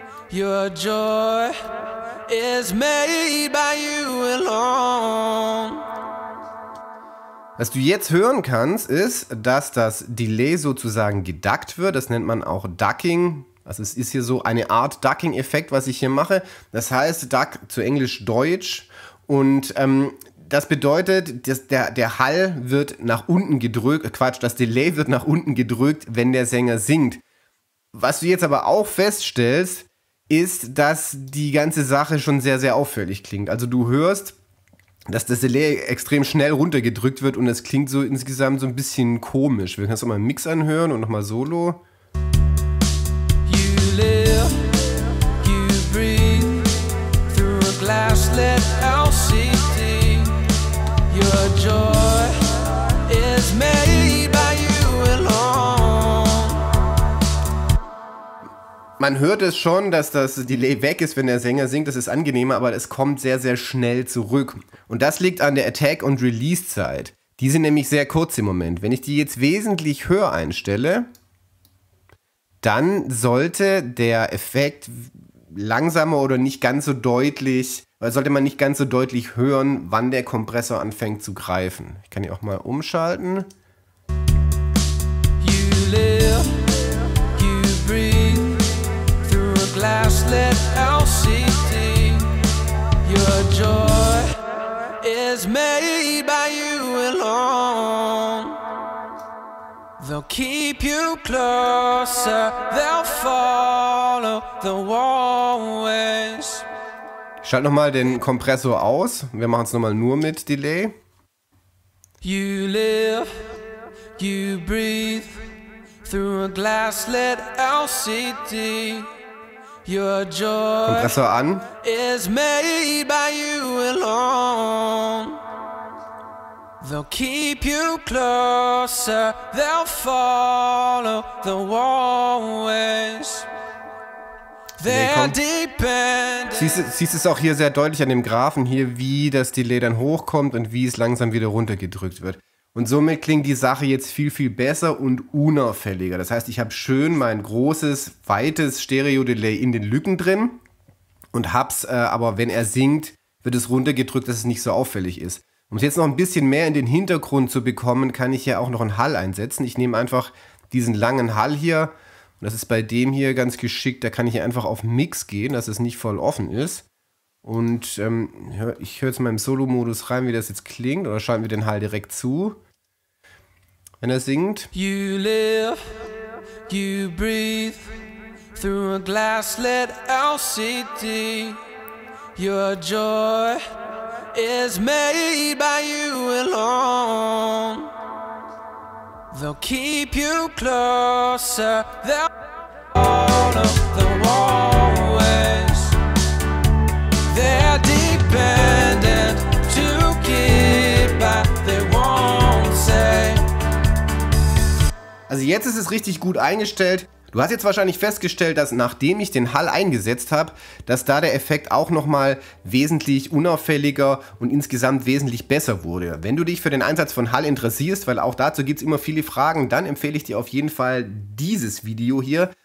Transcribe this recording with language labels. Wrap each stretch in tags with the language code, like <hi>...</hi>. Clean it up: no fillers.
<en>Your joy is made by you alone.</en> <de>Was du jetzt hören kannst, ist, dass das Delay sozusagen geduckt wird. Das nennt man auch Ducking. Also es ist hier so eine Art Ducking-Effekt, was ich hier mache. Das heißt Duck zu Englisch Deutsch. Und das bedeutet, dass der Hall wird nach unten gedrückt. Quatsch, das Delay wird nach unten gedrückt, wenn der Sänger singt. Was du jetzt aber auch feststellst, ist, dass die ganze Sache schon sehr, sehr auffällig klingt. Also du hörst, dass das Delay extrem schnell runtergedrückt wird und es klingt so insgesamt so ein bisschen komisch. Wir können das nochmal im Mix anhören und nochmal solo.</de> <en>You live, you breathe, through a glass lit LCD. Your joy is made by you alone.</en> <de>Man hört es schon, dass das Delay weg ist, wenn der Sänger singt. Das ist angenehmer, aber es kommt sehr, sehr schnell zurück. Und das liegt an der Attack- und Release-Zeit. Die sind nämlich sehr kurz im Moment. Wenn ich die jetzt wesentlich höher einstelle, dann sollte der Effekt langsamer oder nicht ganz so deutlich, weil sollte man nicht ganz so deutlich hören, wann der Kompressor anfängt zu greifen. Ich kann hier auch mal umschalten.</de> <en>You live, you breathe, through a glass lit LCD. Your joy is made by you alone. They'll keep you closer, they'll follow the always.</en> <de>Schalt nochmal den Kompressor aus. Wir machen es nochmal nur mit Delay.</de> <en>You live, you breathe, through a glass lit LCD. Your joy is made by you alone. They'll keep you closer, they'll follow the always. They're dependent.</en> <de>Siehst du es auch hier sehr deutlich an dem Graphen hier, wie das Delay dann hochkommt und wie es langsam wieder runtergedrückt wird. Und somit klingt die Sache jetzt viel, viel besser und unauffälliger. Das heißt, ich habe schön mein großes, weites Stereo-Delay in den Lücken drin und hab's, aber wenn er singt, wird es runtergedrückt, dass es nicht so auffällig ist. Um es jetzt noch ein bisschen mehr in den Hintergrund zu bekommen, kann ich ja auch noch einen Hall einsetzen. Ich nehme einfach diesen langen Hall hier und das ist bei dem hier ganz geschickt. Da kann ich einfach auf Mix gehen, dass es nicht voll offen ist. Und ich höre jetzt mal im Solo-Modus rein, wie das jetzt klingt, oder schalten wir den Hall direkt zu, wenn er singt.</de> <en>You live, you breathe, through a glass lit LCD. Your joy is made by you alone. They'll keep you closer, they'll follow the wall away. They're dependent to keep, but they won't say.</en> <de>Also jetzt ist es richtig gut eingestellt. Du hast jetzt wahrscheinlich festgestellt, dass nachdem ich den Hall eingesetzt habe, dass da der Effekt auch nochmal wesentlich unauffälliger und insgesamt wesentlich besser wurde. Wenn du dich für den Einsatz von Hall interessierst, weil auch dazu gibt es immer viele Fragen, dann empfehle ich dir auf jeden Fall dieses Video hier.</de>